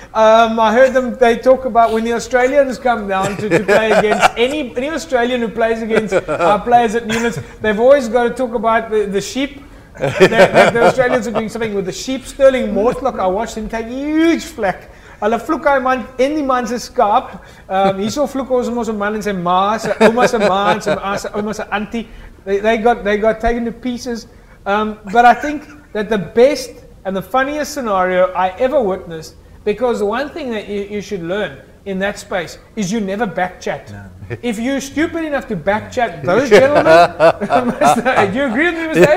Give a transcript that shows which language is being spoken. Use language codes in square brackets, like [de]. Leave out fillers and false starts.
[en] I heard them, they talk about when the Australians come down to play against any Australian who plays against our players at Newlands, they've always got to talk about the sheep. the Australians are doing something with the sheep. Sterling Mortlock, I watched him take huge flack. [af] Hulle vloek hy man en die man se skaap. Hierso vloek ons om ons man en sy ma, sy ouma se ma, sy ouma se auntie. [en] They got taken to pieces. But I think that the best and the funniest scenario I ever witnessed, because the one thing that you should learn in that space is you never back chat. No. If you're stupid enough to back chat those gentlemen, you agree with me, Mr.